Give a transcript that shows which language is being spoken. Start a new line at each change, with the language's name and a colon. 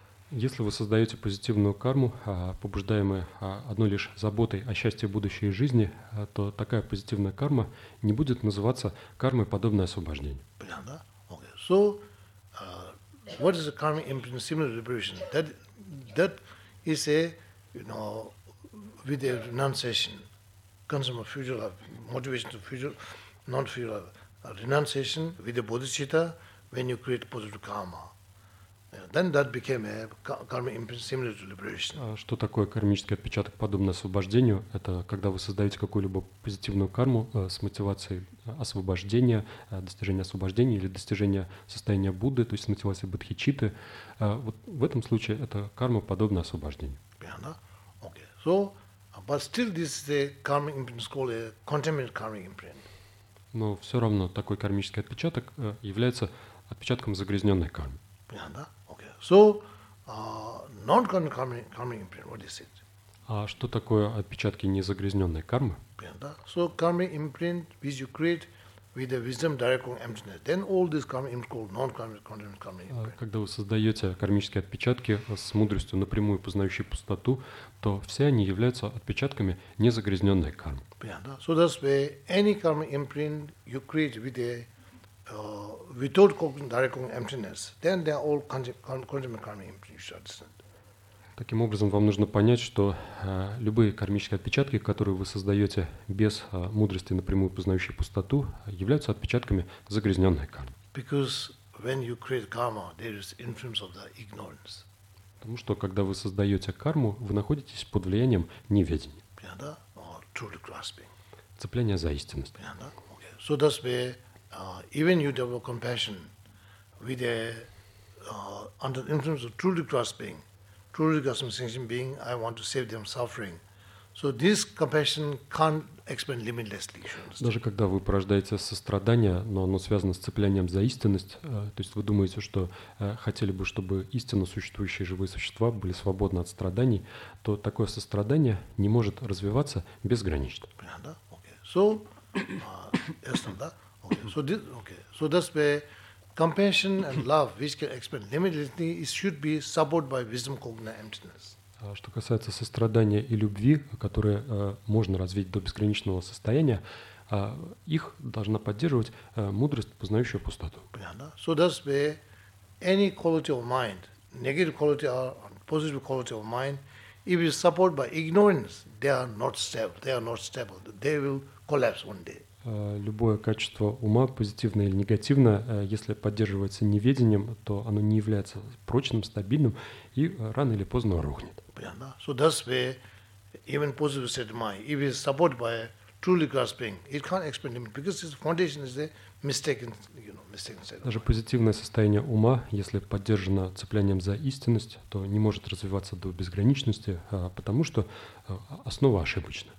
Russian: Если вы создаете позитивную карму, побуждаемую одной лишь заботой о счастье будущей жизни, то такая позитивная карма не будет называться кармой подобной освобождению. Понятно, да? Okay.
English: So, what is the karma implying similar to liberation? That is a, you know, with a renunciation, concern of future life, motivation to future, not future life, renunciation with the bodhicitta, when you create positive karma, then that became a karma imprint similar to liberation.
Russian: Что такое кармический отпечаток, подобный освобождению? Это когда вы создаете какую-либо позитивную карму с мотивацией освобождения, достижения освобождения или достижения состояния Будды, то есть с мотивацией бодхичитты. Вот в этом случае это карма, подобная освобождению. Понятно? Okay.
English: So, but still this is a karma imprint, it's called a contaminated karma imprint.
Russian: Но все равно такой кармический отпечаток является отпечатком загрязненной кармы. Понятно, да? Окей.
English: So, non-karmic imprint, what is it?
Russian: А что такое отпечатки незагрязненной кармы? Понятно, да?
English: So, karmic imprint, which you create with the wisdom direct on emptiness. Then all these karmic imprints called non-karmic contaminated karmic imprint.
Russian: Когда вы создаете кармические отпечатки с мудростью, напрямую познающей пустоту, то все они являются отпечатками незагрязненной кармы. Понятно, да?
English: So, that's where any karmic imprint you create with a without direct emptiness, then they are all contaminated karma imprints, you should understand.
Russian: Таким образом, вам нужно понять, что любые кармические отпечатки, которые вы создаете без мудрости, напрямую познающей пустоту, являются отпечатками загрязненной кармы.
English: Because when you create karma, there is influence of the ignorance.
Russian: Потому что, когда вы создаете карму, вы находитесь под влиянием неведения. Понятно?
English: Or truly grasping.
Russian: Цепление за истинность. Понятно? Okay.
English: So that's where even you develop compassion with a under influence of truly grasping sentient being, I want to save them suffering. So this compassion can't expand limitlessly.
Russian: Даже когда вы порождаете сострадание, но оно связано с цеплением за истинность, то есть вы думаете, что хотели бы, чтобы истинно существующие живые существа были свободны от страданий, то такое сострадание не может развиваться безгранично. Понятно? Okay. So, ясно, да?
English: So that's where compassion and love, which can expand limitlessly, it should be supported by wisdom cognizant emptiness.
Russian: Что касается сострадания и любви, которые можно развить до безграничного состояния, их должна поддерживать мудрость, познающая пустоту. Понятно?
English: So that's where any quality of mind, negative quality or positive quality of mind, if it's supported by ignorance, they are not stable. They will collapse one day.
Russian: Любое качество ума, позитивное или негативное, если поддерживается неведением, то оно не является прочным, стабильным и рано или поздно рухнет. Понятно?
English: So that's where even positive state of mind, if it's supported by truly grasping, it can't expand limit, because its foundation is a mistaken state of mind.
Russian: Даже позитивное состояние ума, если поддержано цеплением за истинность, то не может развиваться до безграничности, потому что основа ошибочна.